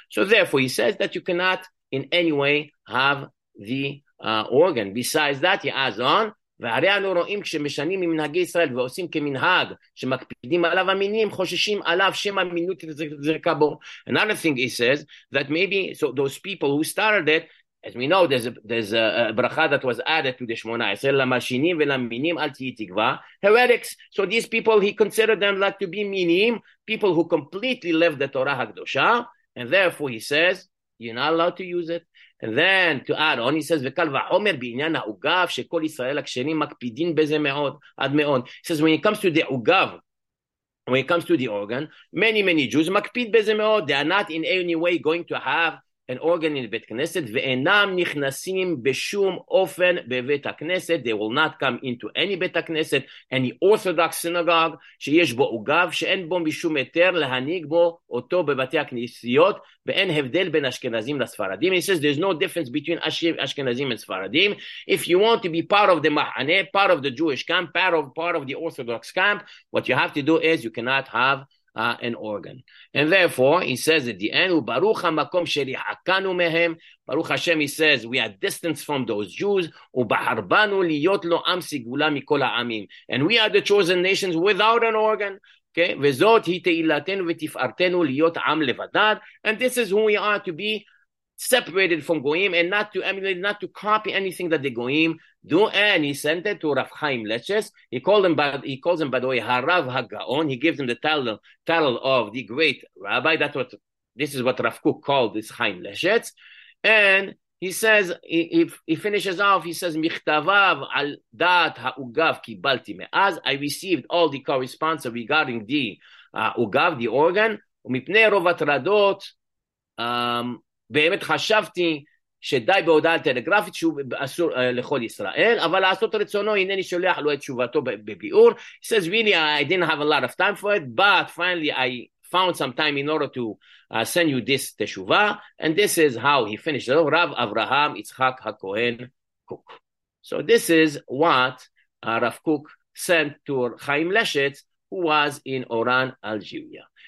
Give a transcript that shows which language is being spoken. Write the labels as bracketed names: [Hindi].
[English] So therefore he says that you cannot in any way have the organ. Besides that, he adds on, [Hebrew] והרי אנו רואים כשמשנים ממנהגי ישראל ועושים כמנהג שמקפידים עליו המינים, חוששים עליו שם המינות זרקה בו. [English] Another thing he says, that maybe so those people who started it, as we know, there's a bracha that was added to the 18, [Hebrew] למשינים ולמינים אל תהי תקווה, [English] heretics. So these people, he considered them like to be minim, people who completely left the Torah HaKdosha, and therefore he says, you're not allowed to use it. And then to add on, he says, [Hebrew] וקל ועומר בעניין העוגב, שכל ישראל הקשרים מקפידים בזה מאוד, עד מאוד. [English] He says, when it comes to the עוגב, when it comes to the organ, many Jews [Hebrew] מקפיד בזה מאוד, [English] they are not in any way going to have an organ in the Bet Knesset, [Hebrew] ואינם נכנסים בשום אופן בבית הכנסת, [English] they will not come into any Bet Knesset, any Orthodox synagogue, [Hebrew] שיש בו עוגב, שאין בו משום היתר להניג בו אותו בבתי הכנסיות, ואין הבדל בין אשכנזים לספרדים. [English] He says, there's no difference between אשכנזים and ספרדים. If you want to be part of the Mahane, part of the Jewish camp, part of the Orthodox camp, what you have to do is you cannot have an organ. And therefore, he says at the end, [Hebrew] וברוך המקום שריחקנו מהם, ברוך השם, [English] he says, we are distanced from those Jews, [Hebrew] ובחרבנו להיות לו עם סיגולה מכל העמים. [English] And we are the chosen nations without an organ. Okay? [Hebrew] וזאת היא תהילתנו ותפארתנו להיות עם לבדד. [English] And this is who we are, to be separated from Goyim, and not to emulate, not to copy anything that the Goyim do. And he sent it to Rav Chaim Leches. He calls him by the way Harav Hagaon. He gives him the title of the great rabbi. This is what Rav Kook called this Chaim Leches. And he says, he finishes off, he says, [Hebrew] Mikhtavav al dat ha'ugav kibalti me'az. [English] I received all the correspondence regarding the ugav, the organ, [Hebrew] ומפני רוב הטרדות, באמת חשבתי שדי בהודעה טלגרפית שהוא אסור לכל ישראל, אבל לעשות רצונו, הנה אני שולח לו את תשובתו בביאור. [English] He says, really, I didn't have a lot of time for it, but finally I found some time in order to send you this תשובה, and this is how he finished it. רב אברהם יצחק הכהן קוק. So this is what Rav Kook sent to Chaim Leshetz, who was in Oran, Algeria.